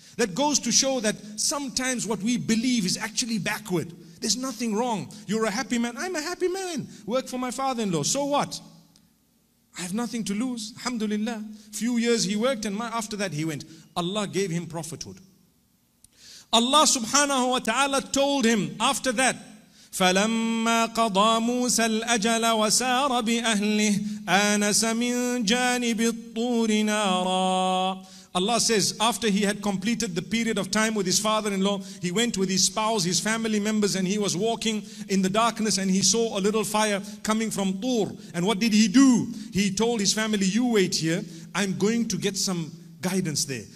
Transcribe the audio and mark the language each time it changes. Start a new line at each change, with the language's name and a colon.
English: That goes to show that sometimes what we believe is actually backward. There's nothing wrong. You're a happy man. I'm a happy man. Work for my father-in-law. So what? I have nothing to lose. Alhamdulillah. Few years he worked and after that he went. Allah gave him prophethood. Allah subhanahu wa ta'ala told him after that,
Arabic: فَلَمَّا قَضَى مُوسَى الْأَجَلَ وَسَارَ بِأَهْلِهِ آنَسَ مِنْ جَانِبِ الطُّورِ نَارًا.
English: Allah says, after he had completed the period of time with his father-in-law, he went with his spouse, his family members, and he was walking in the darkness and he saw a little fire coming from Tur. And what did he do? He told his family, you wait here. I'm going to get some guidance there.